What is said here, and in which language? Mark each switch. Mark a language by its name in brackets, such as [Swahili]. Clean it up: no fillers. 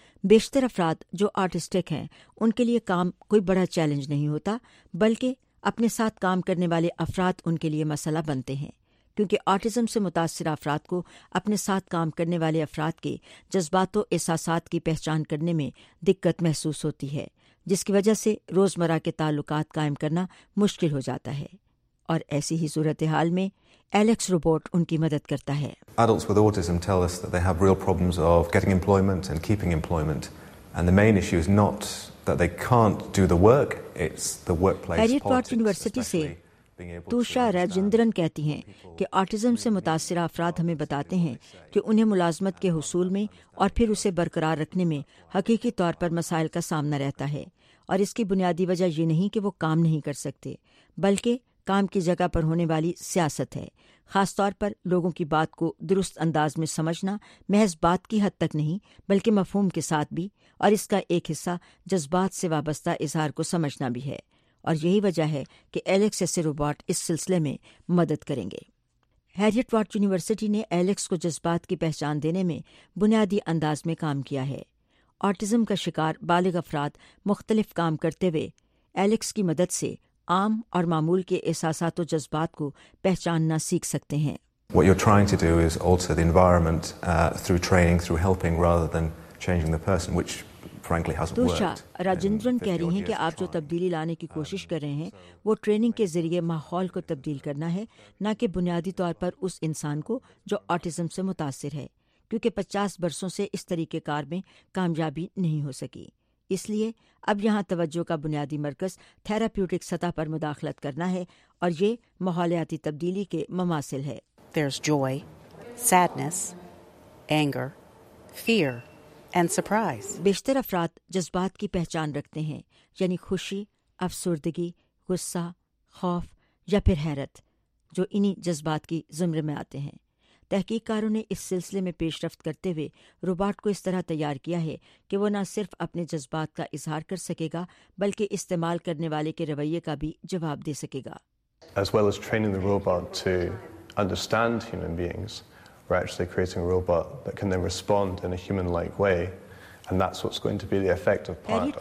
[Urdu] بیشتر افراد جو آرٹسٹک ہیں ان کے لیے کام کوئی بڑا چیلنج نہیں ہوتا، بلکہ اپنے ساتھ کام کرنے والے افراد ان کے لیے مسئلہ بنتے ہیں، کیونکہ آرٹزم سے متاثر افراد کو اپنے ساتھ کام کرنے والے افراد کے جذبات و احساسات کی پہچان کرنے میں دقت محسوس ہوتی ہے، جس کی وجہ سے روزمرہ کے تعلقات قائم کرنا مشکل ہو جاتا ہے، اور ایسی ہی صورتحال میں ایلیکس روبوٹ ان کی مدد کرتا ہے۔ [English] Adults with autism tell us that they have real problems of getting employment and keeping employment, and the main issue is not that they can't do the work, it's the workplace politics. [Urdu] Harriet وارٹ university سے توشا راجندرن کہتی ہیں کہ autism سے متاثرہ افراد ہمیں بتاتے ہیں کہ انہیں ملازمت کے حصول میں اور پھر اسے برقرار رکھنے میں حقیقی طور پر مسائل کا سامنا رہتا ہے، اور اس کی بنیادی وجہ یہ نہیں کہ وہ کام نہیں کر سکتے، بلکہ کام کی جگہ پر ہونے والی سیاست ہے۔ خاص طور پر لوگوں کی بات کو درست انداز میں سمجھنا محض بات کی حد تک نہیں بلکہ مفہوم کے ساتھ بھی، اور اس کا ایک حصہ جذبات سے وابستہ اظہار کو سمجھنا بھی ہے، اور یہی وجہ ہے کہ ایلیکس ایسے روبوٹ اس سلسلے میں مدد کریں گے۔ ہیریٹ وارٹ یونیورسٹی نے ایلیکس کو جذبات کی پہچان دینے میں بنیادی انداز میں کام کیا ہے۔ آٹزم کا شکار بالغ افراد مختلف کام کرتے ہوئے ایلیکس کی مدد سے عام اور معمول کے احساسات و جذبات کو پہچاننا سیکھ سکتے ہیں۔ [English] What you're trying to do is alter the environment through training, through helping, rather than changing the person, which frankly hasn't worked. [Urdu] توشا راجندرن کہہ رہی ہیں کہ آپ جو تبدیلی لانے کی کوشش کر رہے ہیں وہ ٹریننگ کے ذریعے ماحول کو تبدیل کرنا ہے، نہ کہ بنیادی طور پر اس انسان کو جو آٹزم سے متاثر ہے، کیونکہ 50 برسوں سے اس طریقے کار میں کامیابی نہیں ہو سکی۔ اس لیے اب یہاں توجہ کا بنیادی مرکز تھراپیوٹک سطح پر مداخلت کرنا ہے، اور یہ ماحولیاتی تبدیلی کے مماثل ہے۔ [English] There's joy, sadness, anger, fear and surprise. [Urdu] بیشتر افراد جذبات کی پہچان رکھتے ہیں، یعنی خوشی، افسردگی، غصہ، خوف یا پھر حیرت، جو انہی جذبات کی زمرے میں آتے ہیں. تحقیق کاروں نے اس سلسلے میں پیش رفت کرتے ہوئے روبوٹ کو اس طرح تیار کیا ہے کہ وہ نہ صرف اپنے جذبات کا اظہار کر سکے گا بلکہ استعمال کرنے والے کے رویے کا بھی جواب دے سکے گا. [English] As well as training the robot to understand human beings, we're actually creating a robot that can then respond in a human-like way. And that's what's going to be the effect of part